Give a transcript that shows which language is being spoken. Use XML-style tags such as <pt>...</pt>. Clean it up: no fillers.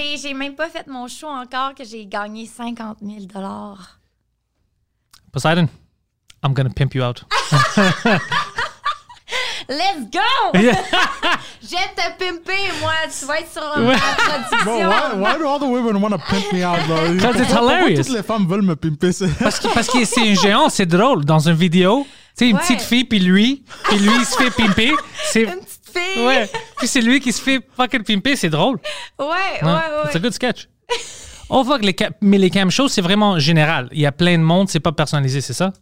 <fr>J'ai même pas fait mon show encore que j'ai gagné 50 000 $.</fr> <en>Poseidon, I'm gonna pimp you out. Let's go! Yeah.</en> <fr>Je te pimper, moi. Tu vas être sur ma production.</fr> <en>Bro, why do all the women want to pimp me out, though? Because it's hilarious.</en> <fr>Toutes les femmes veulent me pimper? Parce que c'est un géant, c'est drôle. Dans une vidéo, tu sais, une petite fille, puis lui, il se fait pimper. C'est, une petite fille. Ouais. Puis c'est lui qui se fait fucking pimper, c'est drôle. Ouais.</fr> <en>It's a good sketch.</en> <fr>Oh fuck, les cam shows, c'est vraiment général. Il y a plein de monde, c'est pas personnalisé, c'est ça?</fr>